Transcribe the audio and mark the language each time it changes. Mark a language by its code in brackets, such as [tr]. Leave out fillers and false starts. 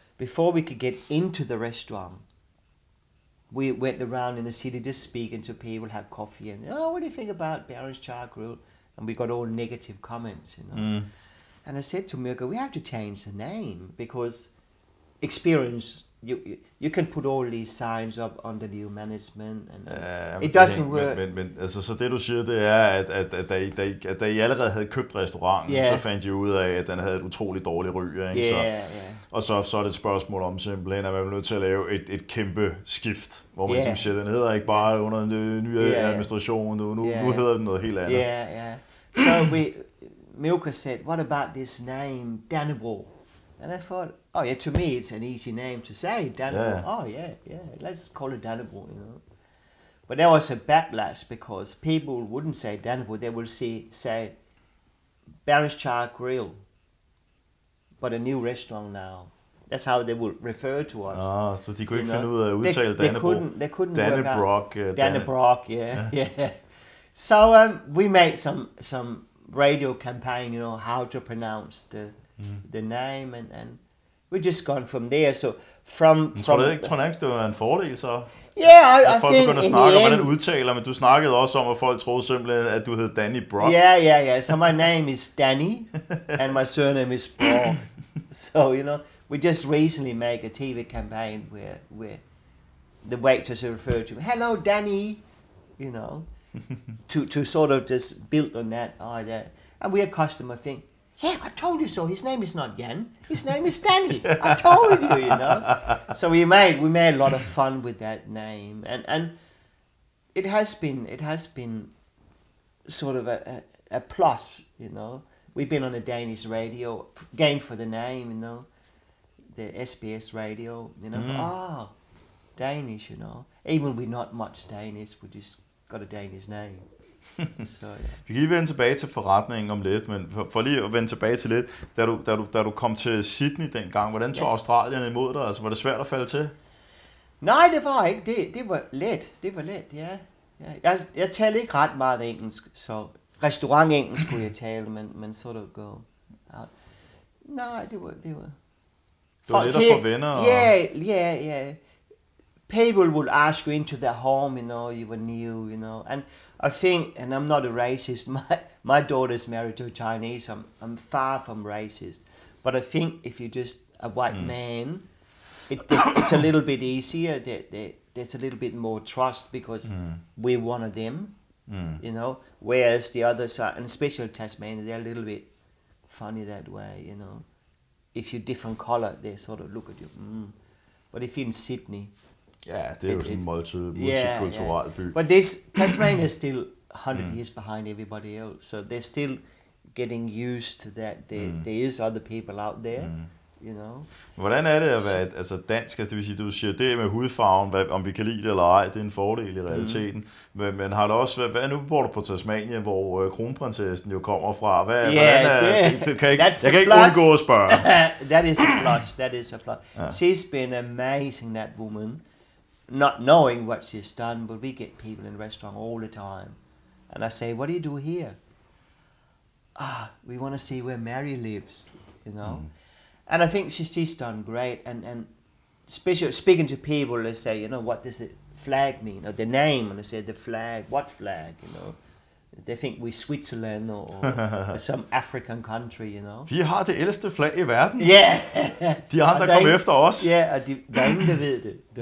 [en] Before we could get into the restaurant, we went around in the city just speaking to people, had coffee, and, oh, what do you think about Baron's Char Grill? And we got all negative comments, you know. Mm. And I said to Mirko, we have to change the name because experience... You can put all these signs up under new management and it doesn't work. [da] Men altså, så det du siger, det er at da I allerede havde købt restauranten, yeah, så fandt I ud af, at den havde et utroligt dårligt ry, ikke? [en] Yeah, [da] så, [en] yeah. [da] Og så er det et spørgsmål om simpelthen, at man er nødt til at lave et kæmpe skift, hvor man, yeah, ligesom siger, den hedder ikke bare under den nye, yeah, administration, nu hedder den noget helt andet. [en] Yeah, yeah. So Milka said, what about this name, Dannebrog? And I thought, oh yeah, to me it's an easy name to say, Dannebrog. Yeah. Oh yeah, yeah, let's call it Dannebrog, you know. But there was a backlash because people wouldn't say Dannebrog, they would say Baron's Char Grill. but a new restaurant now. That's how they would refer to us. [da] Ah, so de kunne ikke finde ud af at udtale Dannebrog. [en] They couldn't Dannebrog. Dannebrog, yeah. So we made some radio campaign, you know, how to pronounce the name, and we just gone from there. So from [da] tror du ikke, det var en fordel, så? [en] Yeah, I [da] folk begyndte at snakke om, hvordan du udtaler, men du snakkede også om, at folk troede simpelthen, at du hed Danny Brock. [en] Yeah. So my name is Danny, and my surname is Brock. So, you know, we just recently make a TV campaign where the waiters are referred to, hello, Danny, you know, to sort of just build on that idea. And we had customer think, yeah, I told you so. His name is not Jan. His name is Danny. I told you, you know. So we made a lot of fun with that name, and it has been sort of a plus, you know. We've been on the Danish radio, game for the name, you know, the SBS radio, you know. Danish, you know. Even we're not much Danish, we just got a Danish name. [da] Vi kan lige vende tilbage til forretningen om lidt, men for lige at vende tilbage til lidt, da du kom til Sydney dengang, hvordan tog Australien imod dig? Altså, var det svært at falde til? Nej, det var ikke. Det var let. Det var let, ja. Jeg talte ikke ret meget engelsk, så restaurantengelsk kunne jeg tale, men [en] sort of go out. [da] Nej, det var... Det var lidt at få venner? Ja. [en] People would ask you into their home, you know, you were new, you know. And I think, and I'm not a racist, my daughter's married to a Chinese, I'm far from racist. But I think if you're just a white man, it's a little bit easier, there's a little bit more trust because we're one of them, you know. Whereas the others are, and especially Tasmania, they're a little bit funny that way, you know. If you're different color, they sort of look at you, But if you're in Sydney... [da] Ja, det er jo sådan en multikulturel by. [en] But this Tasmania is still 100 years behind everybody else, so they're still getting used to that. There is other people out there, you know. [da] Hvordan er det at være altså dansk? Det vil sige, du siger det med hudfarven, om vi kan lide det eller ej, det er en fordel i realiteten. Men har du også, hvad nu bor du på Tasmania, hvor kronprinsessen jo kommer fra? Jeg kan ikke undgå at spørge. [en] That is a plus. She's been amazing, that woman. Not knowing what she's done, but we get people in the restaurant all the time. And I say, what do you do here? We want to see where Mary lives, you know. And I think she's done great. And especially speaking to people, they say, you know, what does the flag mean? Or the name, and I say, the flag, what flag, you know. They think we're Switzerland or some African country, you know. [da] Vi har det ældste flag i verden. [en] Yeah. [da] De andre kom efter os. Yeah, og der ingen, der ved det.